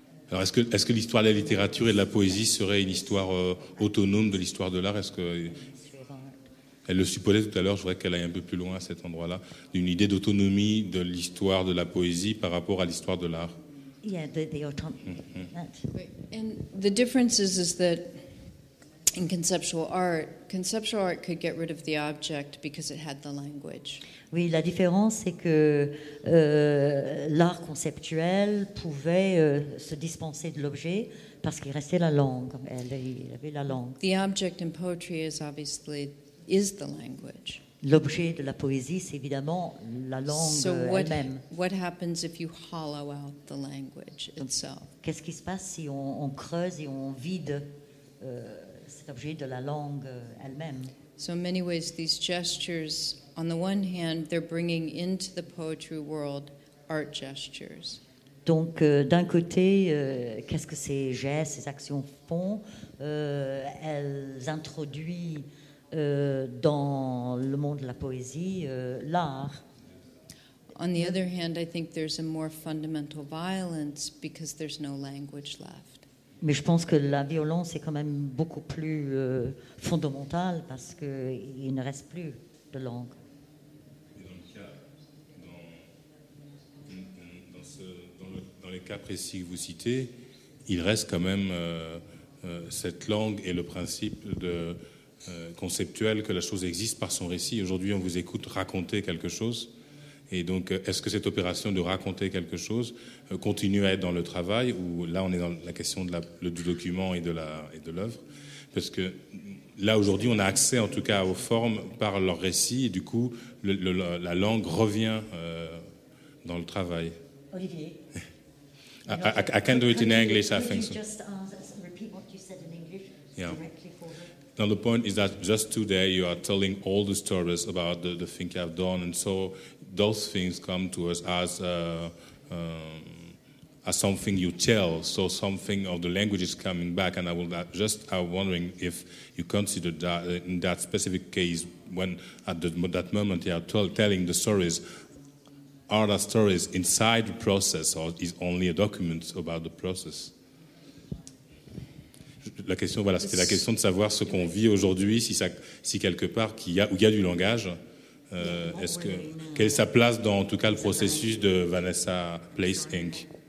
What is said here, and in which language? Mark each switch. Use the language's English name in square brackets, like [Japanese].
[French] Alors, est-ce que l'histoire de la littérature et de la poésie serait une histoire autonome de l'histoire de l'art? Est-ce que elle le supposait tout à l'heure, je voudrais qu'elle aille un peu plus loin à cet endroit-là, d'une idée d'autonomie de l'histoire de la poésie par rapport à l'histoire de l'art. [English] Yeah, the autonomy. And the difference is that in conceptual art could get rid of the object because it had the language. [French] Oui, la différence c'est que l'art conceptuel pouvait se dispenser de l'objet parce qu'il restait la langue. Il avait la langue. [English] The object in poetry is the language. [French] L'objet de la poésie c'est évidemment la langue elle-même. [English] So what happens if you hollow out the language itself? [French] Qu'est-ce qui se passe si on creuse et on vide cet objet de la langue elle-même? [English] So in many ways these gestures, on the one hand, they're bringing into the poetry world art gestures. [French] Donc d'un côté, qu'est-ce que ces gestes, ces actions font? Elles introduisent dans le monde de la poésie l'art. [English] On the other hand, I think there's a more fundamental violence because there's no language left. [French] Mais je pense que la violence est quand même beaucoup plus fondamentale parce qu'il ne reste plus de langue. Et dans le cas, dans les cas précis que vous citez, il reste quand même cette langue et le principe conceptuel que la chose existe par son récit. Aujourd'hui, on vous écoute raconter quelque chose. Et donc, est-ce que cette opération de raconter quelque chose continue à être dans le travail, ou là, on est dans la question de du document et de l'œuvre? Parce que là, aujourd'hui, on a accès, en tout cas, aux formes par leur récit, et du coup, la langue revient dans le travail. Olivier. [English] I can't do it in English, I think. Could you just repeat what you said in English? Yeah. Now the point is that just today you are telling all the stories about the thing you have done, and so those things come to us as something you tell. So something of the language is coming back, and I'm wondering if you consider that in that specific case, when at that moment you are telling the stories, are the stories inside the process, or is only a document about the process? [French] La question, voilà, c'était la question de savoir ce qu'on vit aujourd'hui, si quelque part qu'il y a du langage, quelle est sa place dans, en tout cas, le processus de Vanessa Place Inc.